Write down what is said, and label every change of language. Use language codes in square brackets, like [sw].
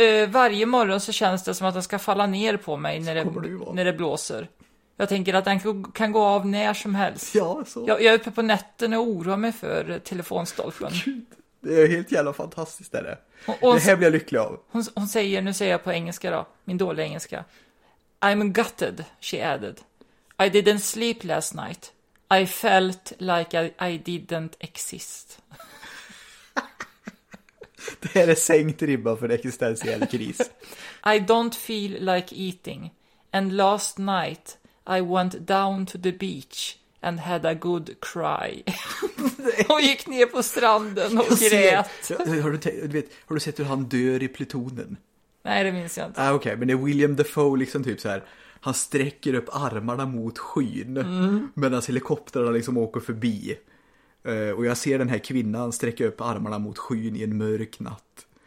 [sv] Varje morgon så känns det som att den ska falla ner på mig när det blåser. Jag tänker att den kan gå av när som helst. Ja, så. Jag är uppe på nätten och oroar mig för telefonstolpen. Det är helt jävla fantastiskt, är det? Det här blir jag lycklig av. Hon säger, nu säger jag på engelska då, min dåliga engelska. [en] I'm gutted, she added. I didn't sleep last night. I felt like I didn't exist. Det här är sänkt ribba för en existentiell kris. I don't feel like eating. And last night I went down to the beach and had a good cry. [sv] Och gick ner på stranden och grät. Har du sett hur han dör i plutonen? Nej, det minns jag inte. Okej, men det är William Dafoe liksom typ så här. Han sträcker upp armarna mot skyn. Mm. Medan helikopterna liksom åker förbi. Och jag ser den här kvinnan sträcka upp armarna mot skyn i en mörk natt.